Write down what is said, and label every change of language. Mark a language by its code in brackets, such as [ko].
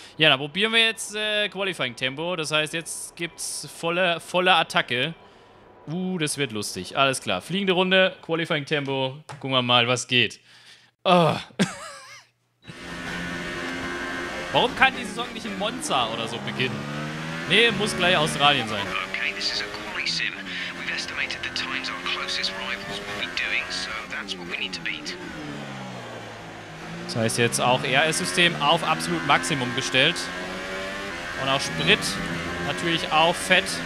[de] Ja, dann probieren wir jetzt Qualifying Tempo. Das heißt, jetzt gibt's volle Attacke. Das wird lustig. Alles klar. Fliegende Runde, Qualifying Tempo. Gucken wir mal, was geht. Oh. Warum kann die Saison nicht in Monza oder so beginnen? Nee, muss gleich Australien sein. [en] Okay, this is a quali sim. We've estimated the times our closest rivals will be doing, so that's what we need to beat. [de] Das heißt jetzt auch RS-System auf absolut Maximum gestellt. Und auch Sprit natürlich auch fett.